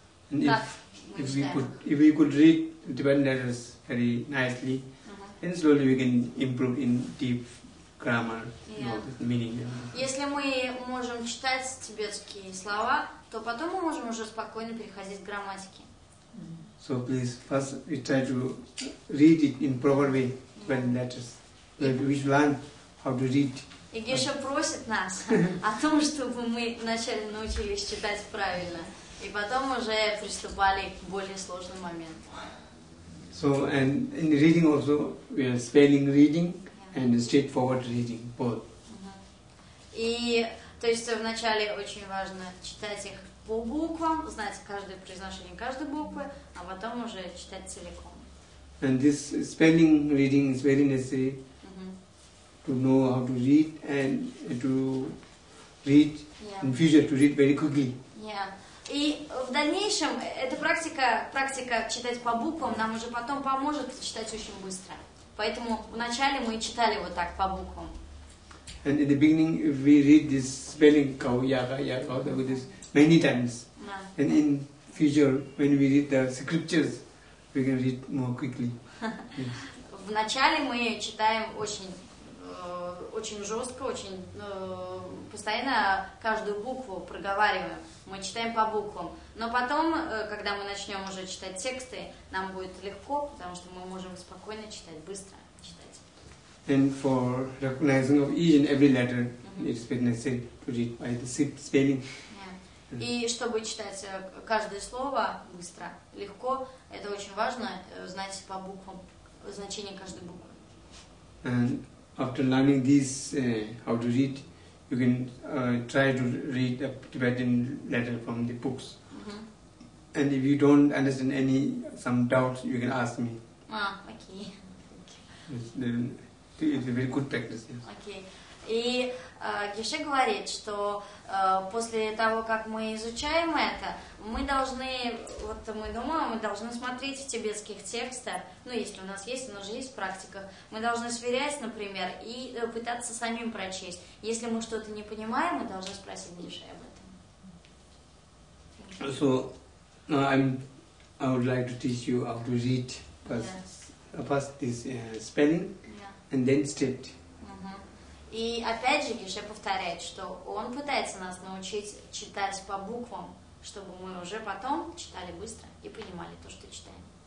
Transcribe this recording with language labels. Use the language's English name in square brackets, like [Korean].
[English] If we could read Tibetan letters very nicely, then slowly we can improve in deep grammar, the meaning. [Russian] Если мы можем читать тибетские слова, то потом мы можем уже спокойно переходить к грамматике. [English] So please, first we try to read it in proper way. Tibetan letters. We should learn how to read. [Russian] И Геша просит нас о том, чтобы мы вначале научились читать правильно, и потом уже приступали к более сложным моментам. [English] So and in the reading also we are spelling reading and straightforward reading both. [Russian] И то есть вначале очень важно читать их по буквам, знать каждое произношение каждой буквы, а потом уже читать целиком. [English] And this spelling reading is very necessary to know how to read and to read in future, to read very quickly. [Russian] И в дальнейшем эта практика читать по буквам нам уже потом поможет читать очень быстро. Поэтому вначале мы читали вот так по буквам. [English] And in the beginning we read this spelling kawyaga with this many times. And in future when we read the scriptures we can read more quickly. [Russian] В начале мы читаем очень очень жестко, очень постоянно каждую букву проговариваем. Мы читаем по буквам. Но потом, когда мы начнем уже читать тексты, нам будет легко, потому что мы можем спокойно читать, быстро читать. [English] And for recognizing of each and every letter, it's been necessary to read by the spelling. [Russian] И чтобы читать каждое слово быстро, легко, это очень важно знать по буквам значение каждой буквы. [English] And after learning this, how to read, you can try to read a Tibetan letter from the books. And if you don't understand any some doubts, you can ask me. Ah, okay. It's a very good practice. Yes. Okay. [Russian] И Геше говорит, что после того, как мы изучаем это, мы должны, вот мы думаем, мы должны смотреть в тибетских текстах, ну, если у нас есть, оно же есть в практиках, мы должны сверять, например, и пытаться самим прочесть. Если мы что-то не понимаем, мы должны спросить Геше об этом. [English] So, I would like to teach you how to read first, first this spelling, and then step. [Russian] И опять же Геше повторяет, что он пытается нас научить читать по буквам, чтобы мы уже потом читали быстро и понимали то, что читаем.